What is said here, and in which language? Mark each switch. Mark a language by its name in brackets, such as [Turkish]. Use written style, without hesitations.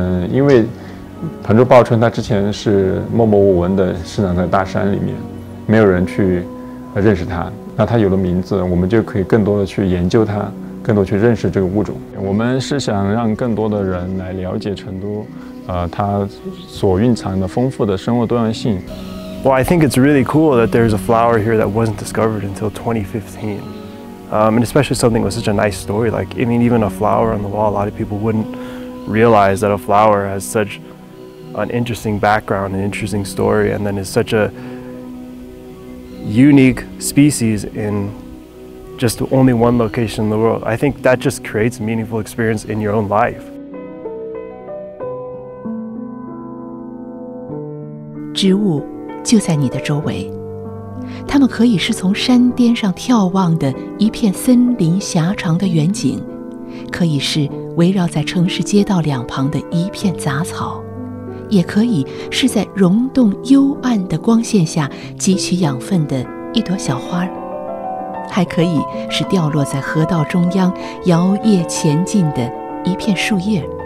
[Chinese] 因为彭州报春它之前是默默无闻的生长在大山里面，没有人去认识它，那它有了名字，我们就可以更多的去研究它，更多去认识这个物种。我们是想让更多的人来了解成都，它所蕴藏的丰富的生物多样性。 [English] Well, I think it's really cool that there's a flower here that wasn't discovered until 2015. And especially something with such a nice story. Like, I mean, even a flower on the wall, a lot of people wouldn't realize that a flower has such an interesting background, an interesting story, and then is such a unique species in just only one location in the world. I think that just creates a meaningful experience in your own life. [Chinese] 植物就在你的周围，它们可以是从山巅上眺望的一片森林狭长的远景，可以是围绕在城市街道两旁的一片杂草，也可以是在溶洞幽暗的光线下汲取养分的一朵小花，还可以是掉落在河道中央摇曳前进的一片树叶。